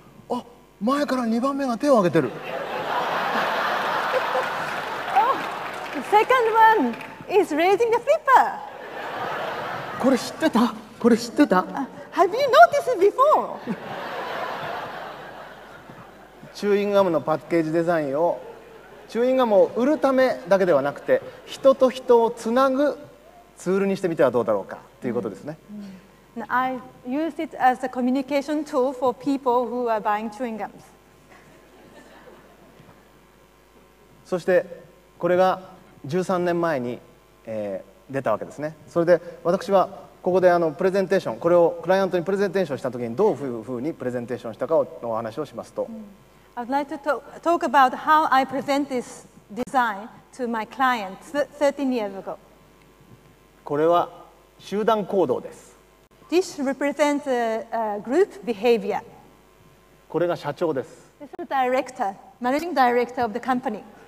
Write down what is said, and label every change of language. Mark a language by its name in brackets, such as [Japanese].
[Japanese] あ、前から2番目が手を挙げてる。 [English] Oh, the second one is raising the flipper. [Japanese] これ知ってた？これ知ってた？ [English] Have you noticed it before? [Japanese] チューインガムのパッケージデザインを、チューインガムを売るためだけではなくて、人と人をつなぐツールにしてみてはどうだろうかということですね。 [English] And I used it as a communication tool for people who are buying chewing gums. [Japanese] そしてこれが13年前に、出たわけですね。それで私はここであのプレゼンテーション、これをクライアントにプレゼンテーションしたときにどういうふうにプレゼンテーションしたかのお話をしますと、 [English] I would like to talk about how I present this design to my client 13 years ago. [Japanese] これは集団行動です。 [English] This represents a group behavior. [Japanese] これが社長です。 [English] This is the director, managing director of the company.